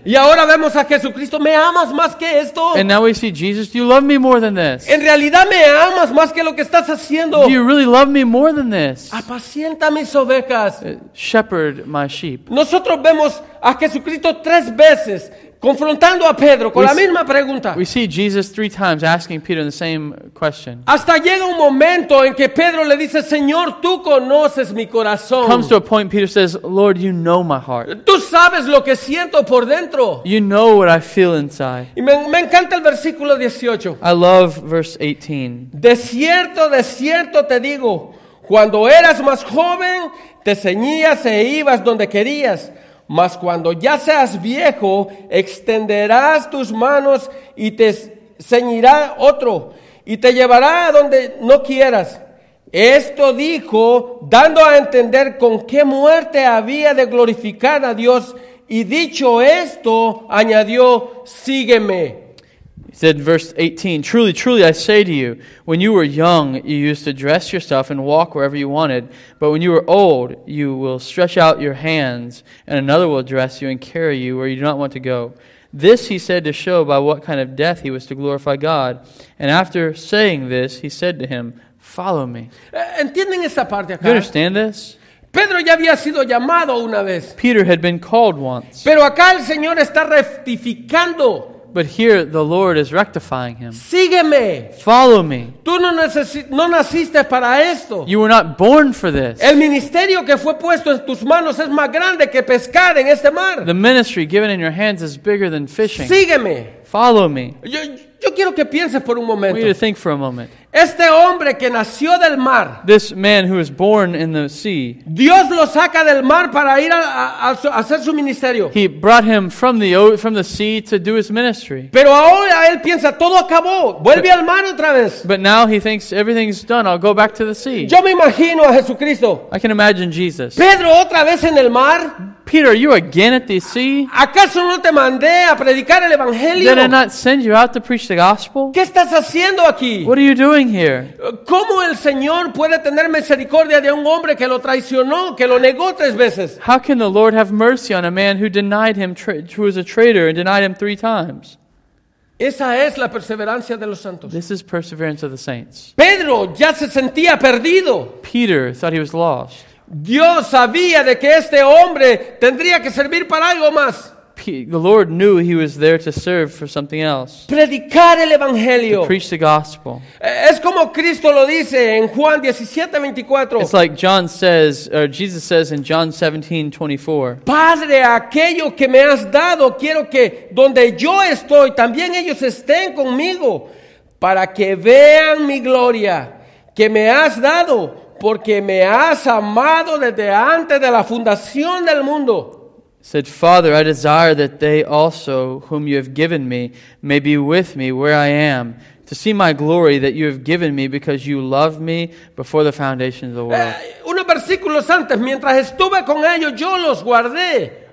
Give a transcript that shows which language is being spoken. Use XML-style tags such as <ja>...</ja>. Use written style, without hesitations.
<es>Y ahora vemos a Jesucristo, ¿me amas más que esto?</es> <en>And now we see Jesus, do you love me more than this?</en> <es>En realidad me amas más que lo que estás haciendo.</es> <en>Do you really love me more than this?</en> <es>Apacienta mis ovejas.</es> <en>Shepherd my sheep.</en> <es>Nosotros vemos a Jesucristo tres veces confrontando a Pedro con la misma pregunta.</es> <en>We see Jesus three times asking Peter the same question.</en> <es>Hasta llega un momento en que Pedro le dice, Señor, tú conoces mi corazón.</es> <en>Comes to a point Peter says, Lord, you know my heart.</en> <es>Tú sabes lo que siento por dentro.</es> <en>You know what I feel inside.</en> <es>Y me encanta el versículo 18.</es> <en>I love verse 18.</en> <es>De cierto te digo, cuando eras más joven, te ceñías e ibas donde querías. Mas cuando ya seas viejo, extenderás tus manos y te ceñirá otro, y te llevará a donde no quieras. Esto dijo, dando a entender con qué muerte había de glorificar a Dios, y dicho esto, añadió, sígueme.</es> <en>He said in verse 18, truly, truly, I say to you, when you were young, you used to dress yourself and walk wherever you wanted. But when you were old, you will stretch out your hands, and another will dress you and carry you where you do not want to go. This he said to show by what kind of death he was to glorify God. And after saying this, he said to him, follow me.</en> <es>¿Entienden esa parte acá?</es> <en>You understand this?</en> <es>Pedro ya había sido llamado una vez.</es> <en>Peter had been called once.</en> <es>Pero acá el Señor está rectificando.</es> <en>But here the Lord is rectifying him.</en> <es>Sígueme.</es> <en>Follow me.</en> <es>Tú no naciste para esto.</es> <en>You were not born for this.</en> <es>El ministerio que fue puesto en tus manos es más grande que pescar en este mar.</es> <en>The ministry given in your hands is bigger than fishing.</en> <es>Sígueme.</es> <en>Follow me.</en> <es>Yo quiero que pienses por un momento.</es> <en>I want you to think for a moment.</en> <es>Este hombre que nació del mar.</es> <en>This man who was born in the sea.</en> <es>Dios lo saca del mar para ir a hacer su ministerio.</es> <en>He brought him from the sea to do his ministry.</en> <es>Pero ahora él piensa, todo acabó. Vuelve al mar otra vez.</es> <en>But now he thinks, everything's done. I'll go back to the sea.</en> <es>Yo me imagino a Jesucristo.</es> <en>I can imagine Jesus.</en> <es>Pedro otra vez en el mar.</es> <en>Peter, are you again at the sea?</en> <es>¿Acaso no te mandé a predicar el evangelio?</es> <en>Did I not send you out to preach the gospel?</en> <es>¿Qué estás haciendo aquí?</es> <en>What are you doing here?</en> <es>¿Cómo el Señor puede tener misericordia de un hombre que lo traicionó, que lo negó tres veces?</es> <en>How can the Lord have mercy on a man who denied him, who was a traitor and denied him three times?</en> <es>Esa es la perseverancia de los santos.</es> <en>This is perseverance of the saints.</en> <es>Pedro ya se sentía perdido.</es> <en>Peter thought he was lost.</en> <es>Dios sabía de que este hombre tendría que servir para algo más.</es> <en>The Lord knew he was there to serve for something else.</en> <es>Predicar el evangelio.</es> <en>To preach the gospel.</en> <es>Es como Cristo lo dice en Juan 17:24.</es> <en>It's like John says, or Jesus says in John 17:24.</en> <es>Padre, aquello que me has dado, quiero que donde yo estoy, también ellos estén conmigo, para que vean mi gloria que me has dado, porque me has amado desde antes de la fundación del mundo.</es> <en>Said, Father, I desire that they also, whom you have given me, may be with me where I am, to see my glory that you have given me because you love me before the foundation of the world.</en> <es>Unos versículos antes, mientras estuve con ellos, yo los guardé.</es>